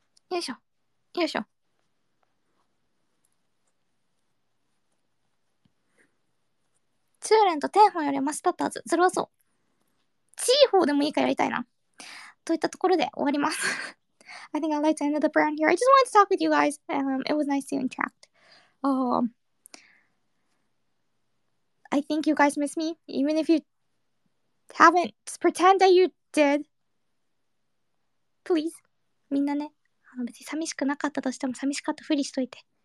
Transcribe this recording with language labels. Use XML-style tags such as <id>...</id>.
<ja>よいしょ。よいしょ。チューレンとテンホンよりマスパッターズ。それはそう。チーホーでもいいかやりたいな。といったところで終わります。</ja> <en>I think I'd like to end the brand here. I just wanted to talk with you guys. It was nice to interact. I think you guys miss me. Even if you haven't, pretend that you did. Please.</en> <ja>みんなね。別に寂しくなかったとしても寂しかったふりしといて。</ja>